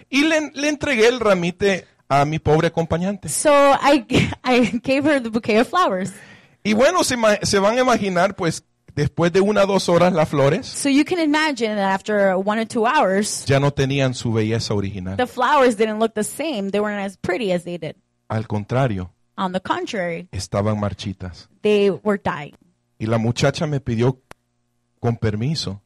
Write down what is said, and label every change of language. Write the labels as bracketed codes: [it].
[es] Y le entregué el ramite a mi pobre acompañante. [en] So I gave her the bouquet of flowers. [es] Y bueno, se van a imaginar, pues, después de una o dos horas las flores. [en] So you can imagine that after 1 or 2 hours. [es] Ya no tenían su belleza original. [en] The flowers didn't look the same. They weren't as pretty as they did. [es] Al contrario. [en] On the contrary. [es] Estaban marchitas. [en] They were dying. [es] Y la muchacha me pidió con permiso.